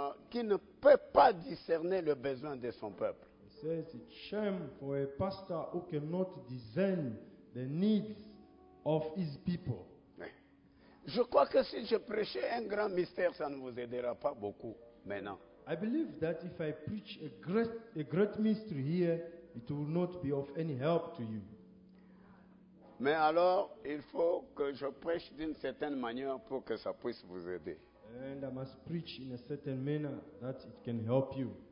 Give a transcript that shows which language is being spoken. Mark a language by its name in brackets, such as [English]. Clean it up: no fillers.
[French] Qui ne peut pas discerner le besoin de son peuple. [English] He says it's shame for a pastor who cannot discern the needs of his people. [French] Mais je crois que si je prêchais un grand mystère, ça ne vous aidera pas beaucoup maintenant. [English] I believe that if I preach a great mystery here, it will not be of any help to you. [French] Mais alors, il faut que je prêche d'une certaine manière pour que ça puisse vous aider. [English] And I must preach in a certain manner that it can help you.